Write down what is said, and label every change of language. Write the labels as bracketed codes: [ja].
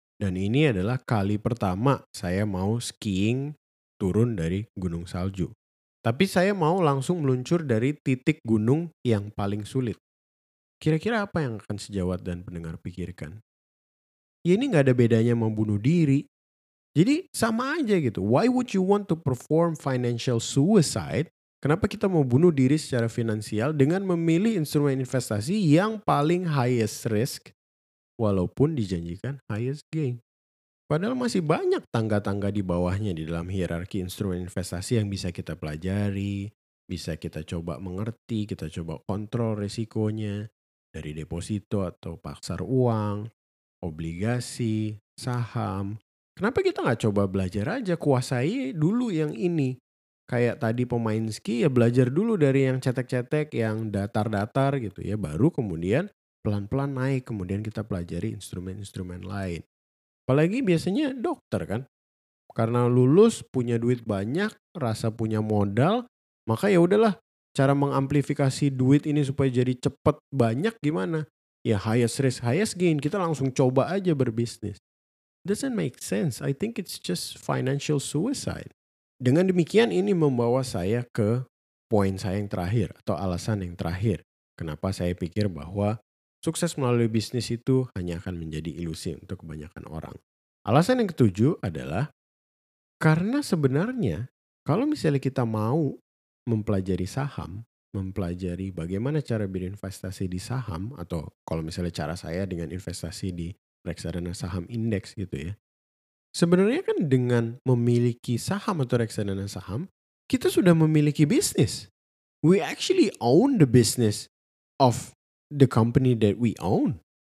[id] Dan ini adalah kali pertama saya mau skiing turun dari gunung salju. Tapi saya mau langsung meluncur dari titik gunung yang paling sulit. Kira-kira apa yang akan sejawat dan pendengar pikirkan? Ya ini gak ada bedanya membunuh diri. Jadi sama aja gitu. [en] Why would you want to perform financial suicide? [id] Kenapa kita mau bunuh diri secara finansial dengan memilih instrumen investasi yang paling [en] highest risk [id] walaupun dijanjikan [en] highest gain? [id] Padahal masih banyak tangga-tangga di bawahnya di dalam hierarki instrumen investasi yang bisa kita pelajari, bisa kita coba mengerti, kita coba kontrol risikonya. Dari deposito atau pasar uang, obligasi, saham. Kenapa kita gak coba belajar aja, kuasai dulu yang ini. Kayak tadi pemain ski, ya belajar dulu dari yang cetek-cetek, yang datar-datar gitu ya. Baru kemudian pelan-pelan naik, kemudian kita pelajari instrumen-instrumen lain. Apalagi biasanya dokter kan. Karena lulus, punya duit banyak, rasa punya modal, maka ya udahlah. Cara mengamplifikasi duit ini supaya jadi cepat banyak gimana? Ya [en] highest risk, highest gain. [id] Kita langsung coba aja berbisnis. [en] Doesn't make sense. I think it's just financial suicide. [id] Dengan demikian ini membawa saya ke poin saya yang terakhir atau alasan yang terakhir. Kenapa saya pikir bahwa sukses melalui bisnis itu hanya akan menjadi ilusi untuk kebanyakan orang. Alasan yang ketujuh adalah karena sebenarnya kalau misalnya kita mau mempelajari saham, mempelajari bagaimana cara berinvestasi di saham, atau kalau misalnya cara saya dengan investasi di reksadana saham indeks gitu ya. Sebenarnya kan dengan memiliki saham atau reksadana saham, kita sudah memiliki bisnis. [en] We actually own the business of the company that we own.